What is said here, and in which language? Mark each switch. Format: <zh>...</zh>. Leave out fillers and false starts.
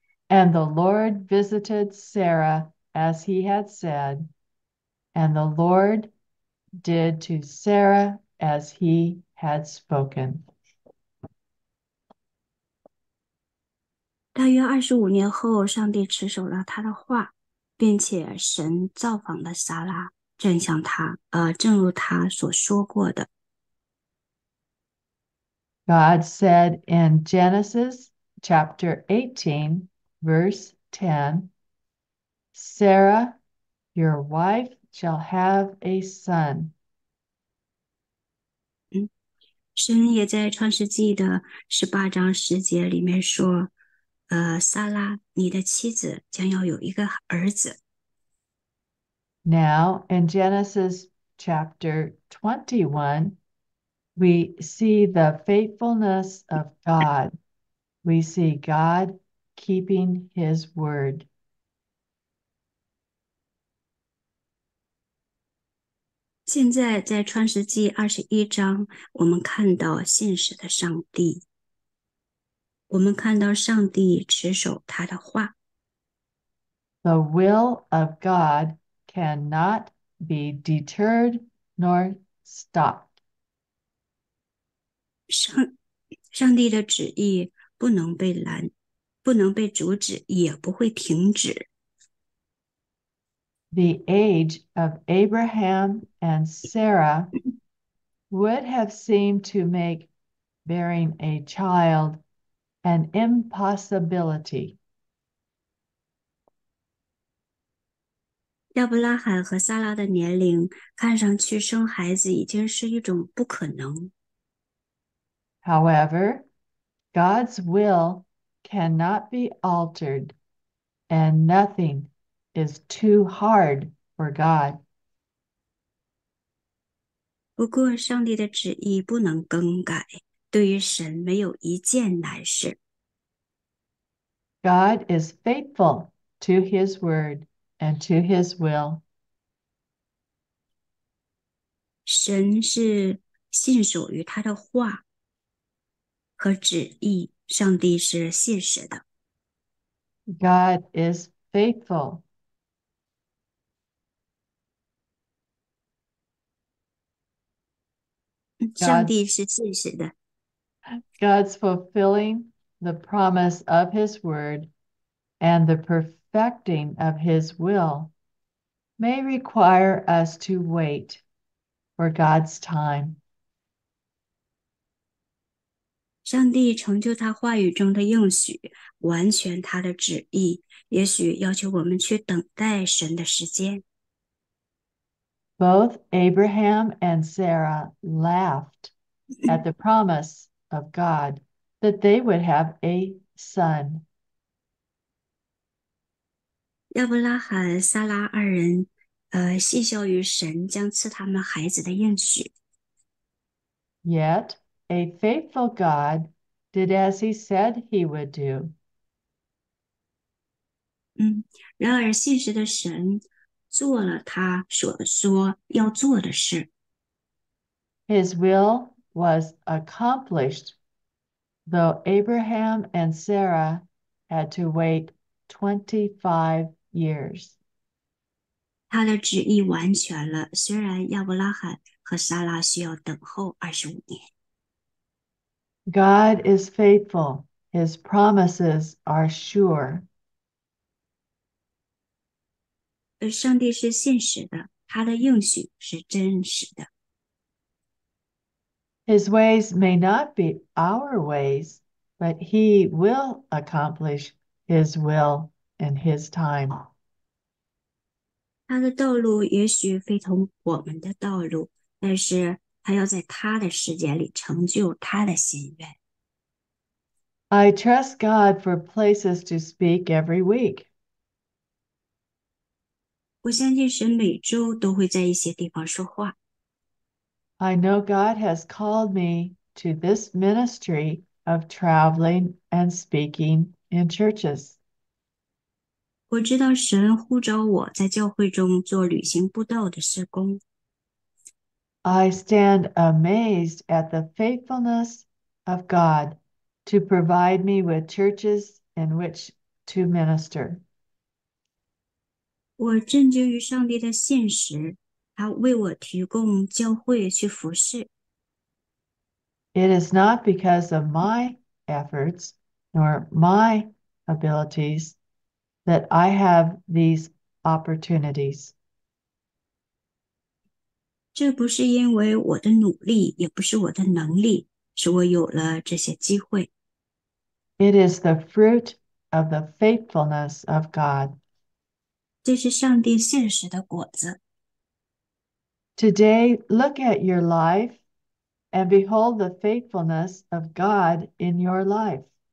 <en>visited Sarah as he had said, and the Lord did to Sarah as he had spoken.</en> <zh>大约25年后，上帝持守了他的话，并且神造访了撒拉，正如他所说过的。</zh> <en>God said in Genesis chapter 18, verse 10, Sarah, your wife shall have a son.</en> <zh>神也在创世纪的18章10节里面说，撒拉，你的妻子将要有一个儿子。</zh> <en>Now in Genesis chapter 21, we see the faithfulness of God. We see God keeping his word.</en> <zh>现在在创世纪21章，我们看到信实的上帝。我们看到上帝持守他的话。</zh> <en>The will of God cannot be deterred nor stopped.</en> <zh>上帝的旨意不能被拦，不能被阻止，也不会停止。</zh> <en>The age of Abraham and Sarah would have seemed to make bearing a child an impossibility.</en> <zh>亚伯拉罕和撒拉的年龄，看上去生孩子已经是一种不可能。</zh> <en>However, God's will cannot be altered, and nothing is too hard for God.</en> <zh>不过，上帝的旨意不能更改，对于神没有一件难事。</zh> <en>God is faithful to his word and to his will.</en> <zh>神是信守于他的话和旨意，上帝是信实的。</zh> <en>God is faithful.</en> <zh>上帝是信实的。</zh> <en>God's fulfilling the promise of his word and the perfecting of his will may require us to wait for God's time.</en> <zh>上帝成就他话语中的应许，完全他的旨意，也许要求我们去等待神的时间。</zh> <en>Both Abraham and Sarah laughed at the promise of God that they would have a son.</en> <zh>亚伯拉罕、撒拉二人，戏笑于神将赐他们孩子的应许。</zh> <en>Yet a faithful God did as he said he would do.</en> <zh>然而信实的神做了他所说要做的事。</zh> <en>His will was accomplished, though Abraham and Sarah had to wait 25 years.</en> <zh>他的旨意完全了，虽然亚伯拉罕和撒拉需要等候25年。</zh> <en>God is faithful, His promises are sure.</en> <zh>上帝是信实的，他的应许是真实的。</zh> <en>His ways may not be our ways, but he will accomplish his will in his time.</en> <zh>他的道路也许非同我们的道路，但是他要在他的时间里成就他的心愿。</zh> <en>I trust God for places to speak every week.</en> <zh>我相信神每周都会在一些地方说话。</zh> <en>I know God has called me to this ministry of traveling and speaking in churches.</en> <zh>我知道神呼召我在教会中做旅行布道的事工。</zh> <en>I stand amazed at the faithfulness of God to provide me with churches in which to minister.</en> <zh>我震惊于上帝的信实，他为我提供教会去服侍。</zh> <en>It is not because of my efforts nor my abilities that I have these opportunities.</en> <zh>这不是因为我的努力，也不是我的能力，使我有了这些机会。</zh> <en>It is the fruit of the faithfulness of God.</en> <zh>这是上帝现实的果子。</zh> <en>Today, look at your life. And behold the faithfulness of God in your life.</en>